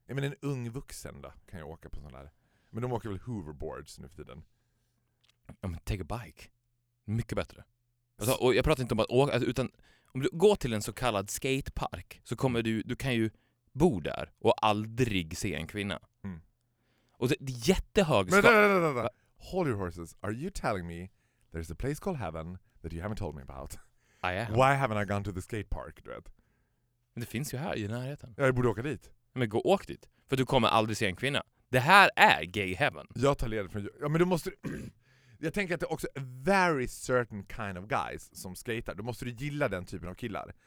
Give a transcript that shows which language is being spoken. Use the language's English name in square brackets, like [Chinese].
[Swedish] Nej, men en ung vuxen då kan jag åka på sån här. Men de åker väl hoverboards nu för tiden? Ja, men [English] take a bike. [Swedish] Mycket bättre. Alltså, och jag pratar inte om att åka, utan om du går till en så kallad skatepark så kommer du kan ju bo där och aldrig se en kvinna. Mm. Och det är jättehög... [English] Men, hold your horses. Are you telling me there's a place called heaven that you haven't told me about? I am. Why haven't I gone to the skatepark, [Swedish] du vet? Men det finns ju här i närheten. Jag borde åka dit. Men gå åk dit, för du kommer aldrig se en kvinna. Det här är [English] gay heaven. [Swedish] Jag tar ledet från... Ja, men du måste... Jag tänker att det är också [English] a very certain kind of guys [Swedish] som skater. Då måste du gilla den typen av killar.